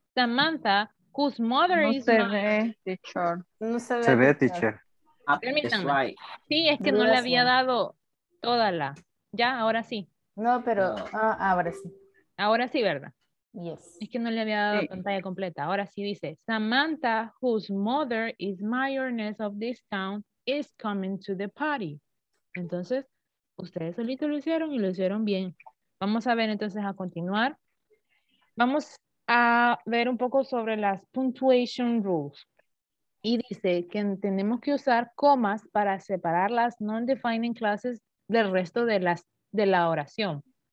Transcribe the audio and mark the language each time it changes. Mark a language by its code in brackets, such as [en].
[en] Samantha, whose mother [es] no [en] is [es] se ve, teacher. No se ve. Se ve, teacher. Permítanme. Sí, es que no le había dado toda la. Ya, ahora sí. No, pero ahora sí. Ahora sí, ¿verdad? [en] Yes. [es] Es que no le había dado pantalla completa. Ahora sí dice, [en] Samantha, whose mother is mayoress of this town, is coming to the party. [es] Entonces, ustedes solitos lo hicieron y lo hicieron bien. Vamos a ver entonces a continuar. Vamos a ver un poco sobre las punctuation rules. Y dice que tenemos que usar comas para separar las non-defining clases del resto de las de la oración.